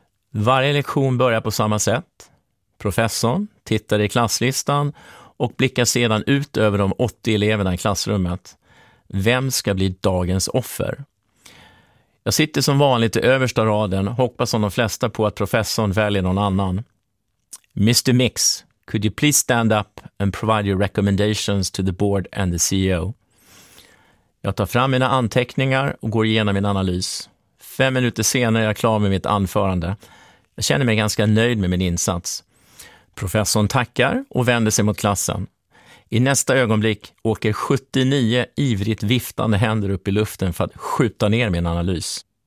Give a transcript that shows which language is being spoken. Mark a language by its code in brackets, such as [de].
[sv] Varje lektion börjar på samma sätt. Professorn tittar i klasslistan och blickar sedan ut över de 80 eleverna i klassrummet. Vem ska bli dagens offer? Jag sitter som vanligt i översta raden, hoppas som de flesta på att professorn väljer någon annan. [en] Mr. Mix, could you please stand up and provide your recommendations to the board and the CEO? [sv] Jag tar fram mina anteckningar och går igenom min analys. 5 minuter senare är jag klar med mitt anförande. Jag känner mig ganska nöjd med min insats. Professorn tackar och vänder sig mot klassen. I nästa ögonblick åker 79 ivrigt viftande händer upp i luften för att skjuta ner min analys.